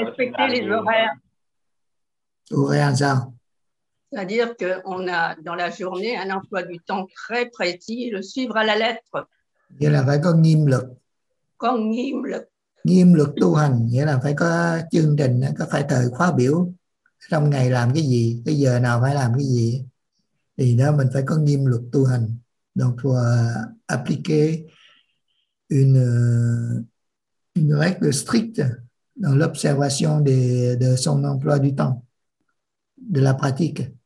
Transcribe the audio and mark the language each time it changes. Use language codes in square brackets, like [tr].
[fr] Faut les mettre en pratique et respecter les horaires. Horaires, c'est-à-dire qu'on a dans la journée un emploi du temps très précis, le suivre à la lettre. [vi] Nghĩa là phải có nghiêm luật. Có nghiêm luật. Nghiêm luật tu hành nghĩa là phải có chương trình, có phải thời khóa biểu trong ngày làm cái gì, cái giờ nào phải làm cái gì. Thì đó mình phải có nghiêm luật tu hành. [fr] Donc pour appliquer une règle stricte dans l'observation de son emploi du temps, de la pratique.